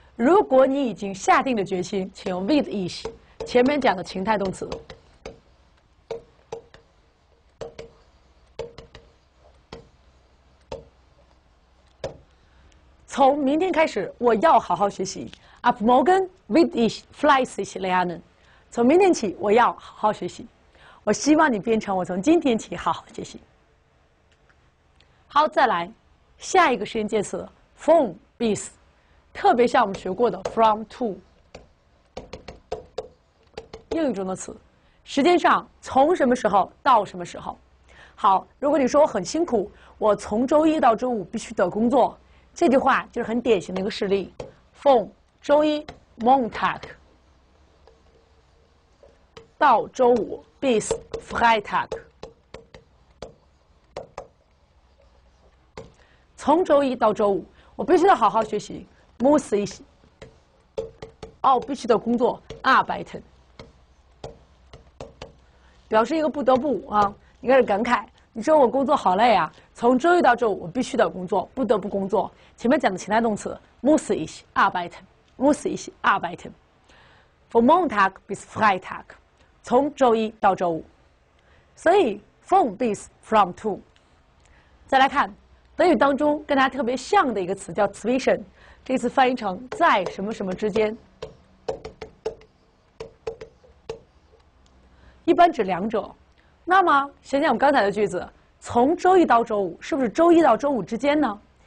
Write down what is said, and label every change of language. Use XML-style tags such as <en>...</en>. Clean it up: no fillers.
<zh>如果你已经下定了决心，请用 with is 前面讲的情态动词。从明天开始，我要好好学习。</zh> <de>Ab morgen wird ich fleißig lernen。</de> <zh>从明天起，我要好好学习。我希望你变成我从今天起好好学习。好，再来，下一个实验介词 from。bis， 特别像我们学过的 from to， 英语中的词，时间上从什么时候到什么时候。好，如果你说我很辛苦，我从周一到周五必须得工作，这句话就是很典型的一个事例 ，von 周一 Montag 到周五</zh> <de>bis Freitag。</de> <zh>从周一到周五。我必须得好好学习 ，</zh> <de>muss ich。</de> <zh>哦，必须得工作 ，arbeiten。表示一个不得不啊，你开始感慨，你说我工作好累啊，从周一到周五我必须得工作，不得不工作。前面讲的情态动词 ，</zh> <de>muss ich arbeiten，muss ich arbeiten。 Von Montag bis Freitag， 从周一到周五。</de> <zh>所以 ，</zh> <de>von bis</de> <en>from to。</en> <zh>再来看。德语当中跟它特别像的一个词叫 zwischen， 这次翻译成在什么什么之间，一般指两者。那么想想我们刚才的句子，从周一到周五是不是周一到周五之间呢？</zh>